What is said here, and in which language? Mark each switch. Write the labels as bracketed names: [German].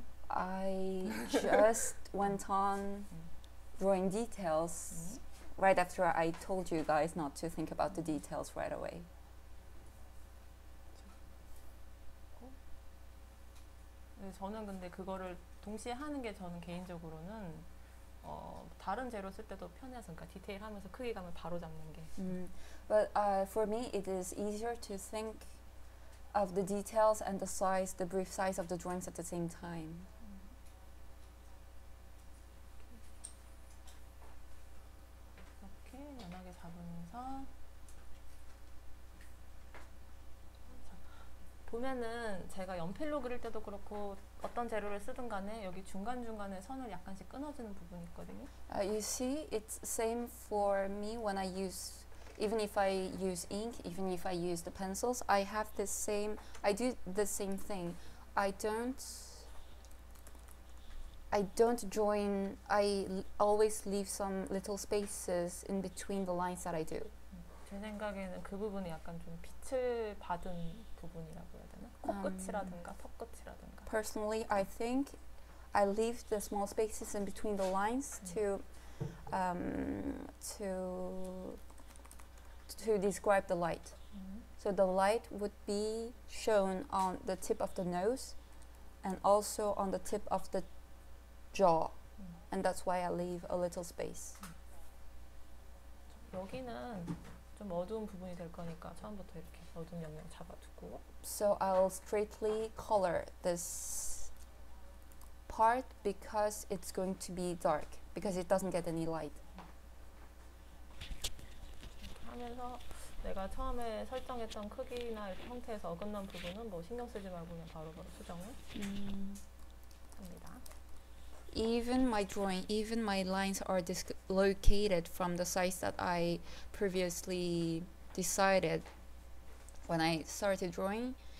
[English] I just went on drawing details right after I told you guys not to think about the details right away. [Korean] 저는 근데 그거를 동시에 하는 게 저는 개인적으로는 다른 재료 쓸 때도 편해서 그러니까 디테일 하면서 크기감을 바로 잡는 게. [English] But for me it is easier to think of the details and the size, the brief size of the drawings at the same time. [Korean] 이렇게 연하게 잡으면서 보면은 제가 연필로 그릴 때도 그렇고 어떤 재료를 쓰든 간에 여기 중간중간에 선을 약간씩 끊어주는 부분이 있거든요. [English] You see, it's same for me when I use, even if I use ink, even if I use the pencils, I have the same, I do the same thing. I don't join, I always leave some little spaces in between the lines that I do. [Korean] 제 생각에는 그 부분이 약간 좀 빛을 받은 부분이라고 해야 되나? 코끝이라든가 턱끝이라든가. [English] Personally, I think I leave the small spaces in between the lines to describe the light. So the light would be shown on the tip of the nose and also on the tip of the jaw. And that's why I leave a little space. [Korean] 여기는 좀 어두운 부분이 될 거니까 처음부터 이렇게 어두운 영역 잡아두고. [English] So I'll straightly color this part because it's going to be dark because it doesn't get any light. [Korean] 하면서 내가 처음에 설정했던 크기나 형태에서 어긋난 부분은 뭐 신경 쓰지 말고 그냥 바로 수정을 합니다. [English] Even my lines are dislocated from the size that I previously decided when I started drawing.